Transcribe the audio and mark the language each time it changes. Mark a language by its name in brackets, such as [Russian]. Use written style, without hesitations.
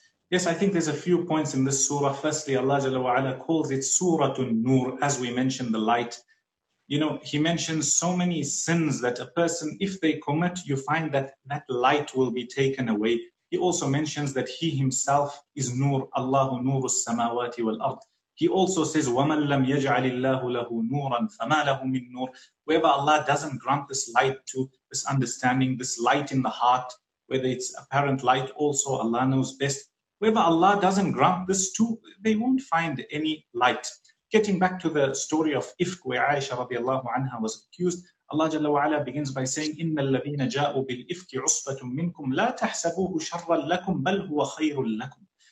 [English] Yes, I think there's a few points in this surah. Firstly, Allah jalla wa ala calls it Suratun Nur, as we mentioned, the light. You know, he mentions so many sins that a person, if they commit, you find that that light will be taken away. He also mentions that he himself is Nur, Allahu Nuru Samawati wal Ard. He also says, [Arabic] وَمَنْ لَمْ يَجْعَلِ اللَّهُ لَهُ نُورًا فَمَا لَهُ مِنْ نُورٍ. [English] Whoever Allah doesn't grant this light to, this understanding, this light in the heart, whether it's apparent light also, Allah knows best. Whoever Allah doesn't grant this to, they won't find any light. Getting back to the story of Ifk, where Aisha radiallahu anha was accused, Allah jalla wa ala begins by saying, [Arabic] إِنَّ الَّذِينَ جَاءُوا بِالْإِفْكِ عُصْبَةٌ مِّنْكُمْ لَا تَحْسَبُوهُ شَرًّا لَكُمْ بَلْ هُوَ خَيْرٌ لَكُمْ.